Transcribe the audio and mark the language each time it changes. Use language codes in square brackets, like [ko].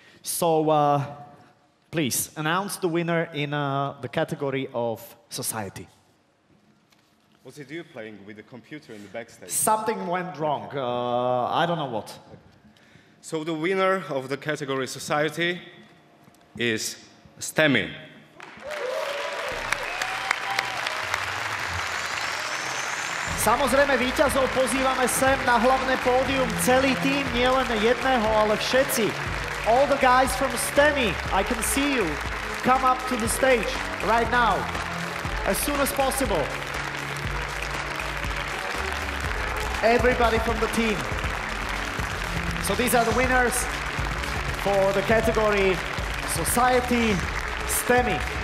[en] So, please, announce the winner in the category of society. What's he doing playing with the computer in the backstage? Something went wrong. I don't know what. So, the winner of the category society is STEMI. [sk] Samozrejme, víťazov pozývame sem na hlavné pódium celý tým, nie len jedného, ale všetci. [en] All the guys from STEMI, I can see you. Come up to the stage right now, as soon as possible. everybody from the team. So these are the winners for the category Society STEMI.